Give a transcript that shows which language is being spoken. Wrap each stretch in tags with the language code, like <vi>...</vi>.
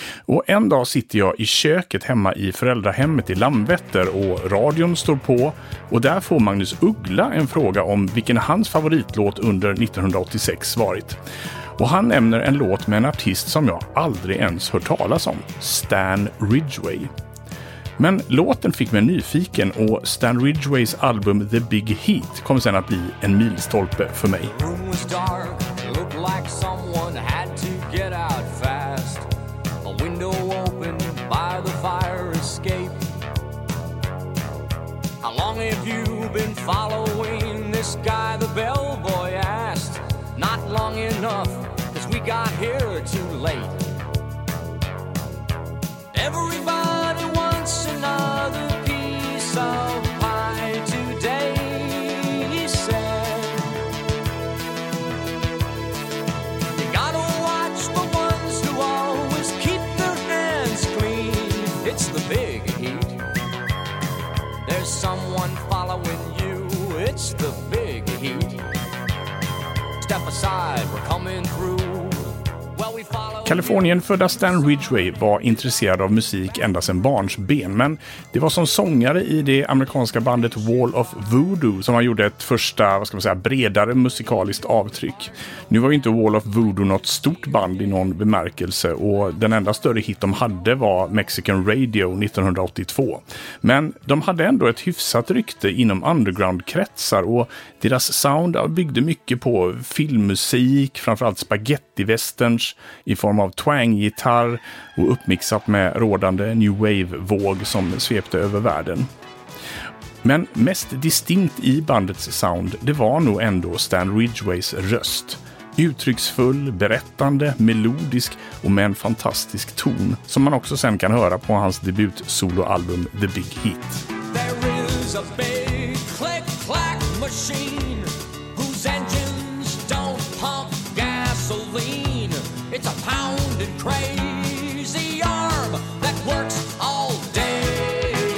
<sv>Och en dag sitter jag i köket hemma i föräldrahemmet i Landvetter och radion står på och där får Magnus Uggla en fråga om vilken hans favoritlåt under 1986 varit. Och han nämner en låt med en artist som jag aldrig ens hört talas om, Stan Ridgway. Men låten fick mig nyfiken och Stan Ridgways album The Big Heat kom sen att bli en milstolpe för mig.</sv> <en>The room was dark, looked like someone had to get out fast. A window open by the fire escape. How long have you been following this guy, the bellboy asked. Not long enough, 'cause we got here too late. Everybody wants another piece of pie today, he said. You gotta watch the ones who always keep their hands clean. It's the big heat. There's someone following you. It's the big heat. Step aside, we're coming through.</en> <sv>Kalifornienfödda Stan Ridgway var intresserad av musik ända sedan barns ben, men det var som sångare i det amerikanska bandet Wall of Voodoo som han gjorde ett första, vad ska man säga, bredare musikaliskt avtryck. Nu var ju inte Wall of Voodoo något stort band i någon bemärkelse och den enda större hit de hade var Mexican Radio 1982. Men de hade ändå ett hyfsat rykte inom underground-kretsar och deras sound byggde mycket på filmmusik, framförallt spaghetti-westerns i form av twang-gitarr och uppmixat med rådande New Wave-våg som svepte över världen. Men mest distinkt i bandets sound, det var nog ändå Stan Ridgways röst. Uttrycksfull, berättande, melodisk och med en fantastisk ton som man också sen kan höra på hans debut soloalbum The Big Heat.</sv> <en>There is a big click-clack machine whose engines don't pump gasoline. It's a pounding crazy arm that works all day.</en>